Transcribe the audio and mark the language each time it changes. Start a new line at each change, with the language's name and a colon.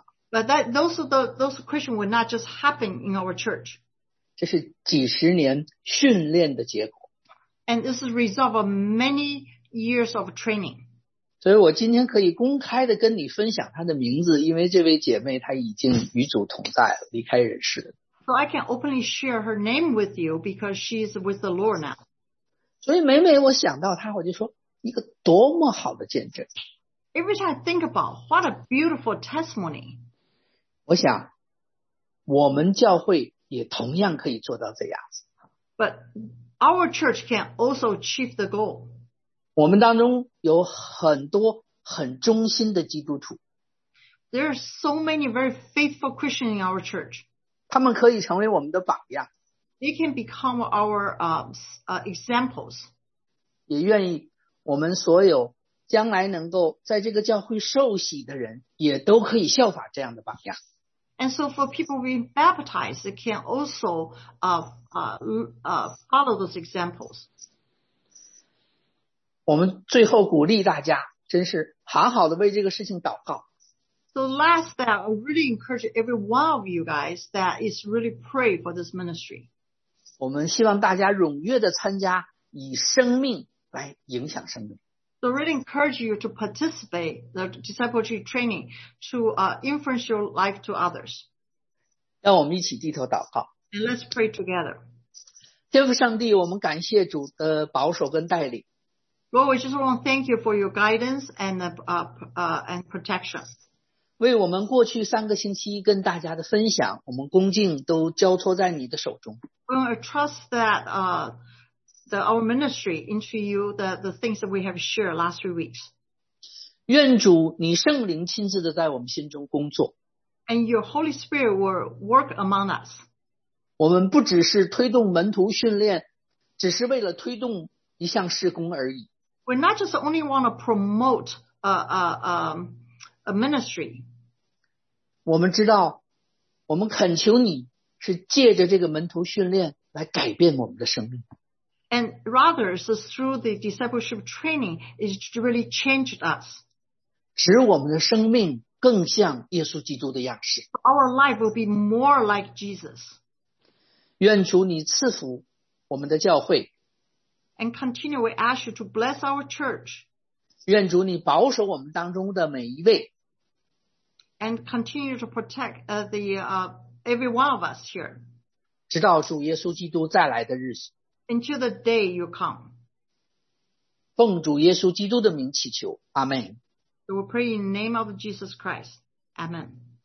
English: But those Christians would not just happen in our church.
Chinese: 这是几十年训练的结果。
English: And this is the result of many years of training.
Chinese: 所以我今天可以公开的跟你分享她的名字，因为这位姐妹她已经与主同在离开人世。
English: So I can openly share her name with you because she is with the Lord now.
Chinese: 所以每每我想到他，我就说一个多么好的见证。
English: Every time I think about what a beautiful testimony.
Chinese: 我想我们教会也同样可以做到这样子。
English: But our church can also achieve the goal.
Chinese: 我们当中有很多很忠心的基督徒。
English: There are so many very faithful Christians in our church.
Chinese: 他们可以成为我们的榜样。
English: They can become our examples.
Chinese: 也愿意我们所有将来能够在这个教会受洗的人也都可以效法这样的榜样。
English: And so for people being baptized, they can also follow those examples.
Chinese: 我们最后鼓励大家真是好好的为这个事情祷告。
English: So last that, I really encourage every one of you guys that is really pray for this ministry.
Chinese: 我们希望大家踊跃的参加，以生命来影响生命。
English: So really encourage you to participate the discipleship training to influence your life to others.
Chinese: 让我们一起低头祷告。
English: And let's pray together.
Chinese: 天父上帝，我们感谢主的保守跟带领。
English: Lord, we just want to thank you for your guidance and protection.
Chinese: 为我们过去三个星期跟大家的分享，我们恭敬都交托在你的手中。
English: I trust that our ministry into you, the things that we have shared last 3 weeks.
Chinese: 愿主你圣灵亲自的在我们心中工作。
English: And your Holy Spirit will work among us.
Chinese: 我们不只是推动门徒训练，只是为了推动一项事工而已。
English: We not just only want to promote a ministry.
Chinese: 我们知道我们恳求你是借着这个门徒训练来改变我们的生命。
English: And rather, so through the discipleship training, it really changed us.
Chinese: 使我们的生命更像耶稣基督的样式。
English: Our life will be more like Jesus.
Chinese: 愿主你赐福我们的教会。
English: And continue, we ask you to bless our church.
Chinese: 愿主你保守我们当中的每一位。
English: And continue to protect every one of us here.
Chinese: 直到主耶稣基督再来的日子。
English: Until the day you come.
Chinese: 奉主耶稣基督的名祈求，阿门。
English: We pray in the name of Jesus Christ. Amen.